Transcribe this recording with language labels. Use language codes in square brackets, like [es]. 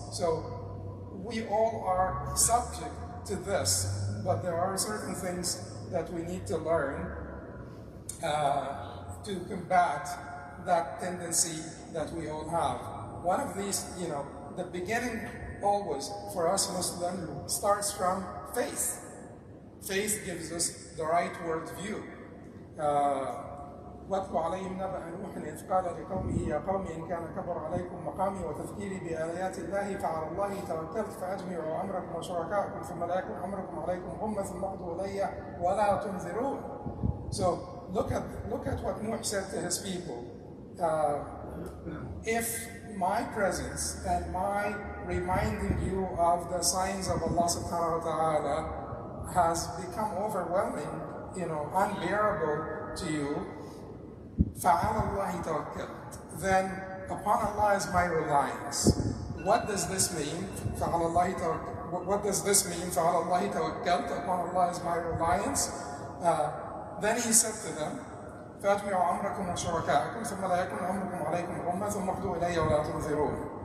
[en] So we all are subject to this, but there are certain things that we need to learn to combat that tendency that we all have. One of these, you know, the beginning always for us Muslims starts from faith. Faith gives us the right worldview. [ar] واتلو عليهم نبأ نوح إذ قال لقومه يا قوم إن كان كبر عليكم مقامي وتذكيري بآيات الله فعلى الله توكلت فأجمعوا أمركم وشركاءكم ثم لا يكن أمركم عليكم غمة ثم اقضوا إلي ولا تنذرون. [en] So look at what Nuh said to his people. If my presence and my reminding you of the signs of Allah subhanahu wa ta'ala has become overwhelming, you know, unbearable to you, [ar] فَعَلَى اللَّهِ تَوَكَّلْتُ, [en] then upon Allah is my reliance. What does this mean? [ar] فَعَلَى اللَّهِ تَوَكَّلْتُ, [en] what does this mean? [ar] فَعَلَى اللَّهِ تَوَكَّلْتُ, [en] upon Allah is my reliance. Then he said to them, [ar] فَأَجْمِعُوا أَمْرَكُمْ وَشُرَكَاءَكُمْ ثُمَّ لَا يَكُنْ أَمْرُكُمْ عَلَيْكُمْ غُمَّةً ثُمَّ اقْضُوا إِلَيَّ وَلَا تُنْظِرُونَ.